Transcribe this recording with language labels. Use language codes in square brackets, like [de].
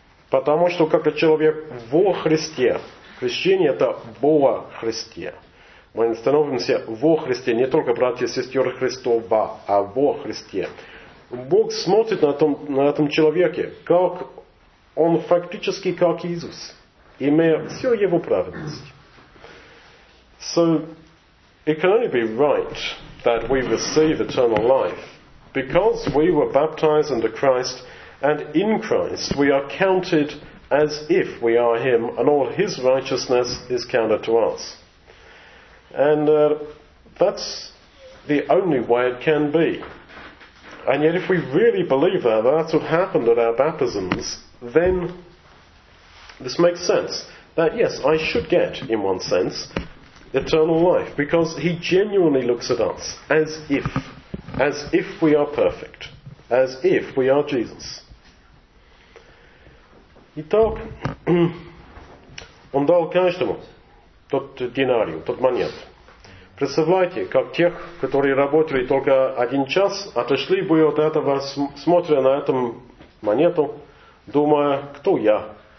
[ru] Потому что как человек во Христе. Крещение это во Христе. Мы становимся во Христе, не только братья и сестры Христова, а во Христе. Бог смотрит на этом человеке, как он фактически как Иисус. Имея всю его праведность. [en] So, it can only be right that we receive eternal life because we were baptized into Christ, and in Christ we are counted as if we are him, and all his righteousness is counted to us. And that's the only way it can be. And yet if we really believe that, that's what happened at our baptisms, then this makes sense, that yes, I should get, in one sense, eternal life, because he genuinely looks at us as if we are perfect, as if we are Jesus. [ru] Итак, он дал каждому тот динарий, тот монет. Представляете, как тех, которые работали только один час, отошли бы от этого, смотря на эту монету, думая, кто я?